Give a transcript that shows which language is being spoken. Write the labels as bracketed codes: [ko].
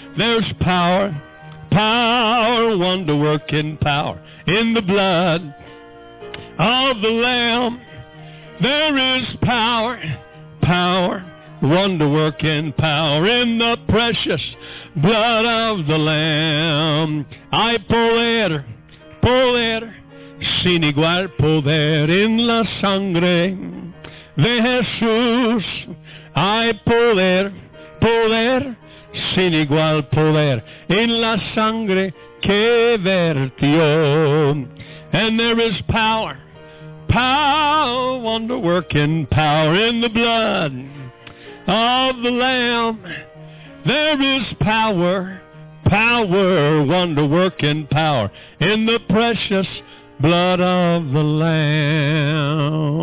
[en] There's power, power, wonder-working power in the blood of the Lamb. There is power, power, wonder-working power in the precious blood of the Lamb. [es] Ay poder, poder, sin igual poder en la sangre de Jesús. Ay poder, poder, sin igual poder en la sangre que vertió. [en] And there is power, power, wonder-working power in the blood of the Lamb. There is power, power, wonder-working power in the precious blood of the Lamb.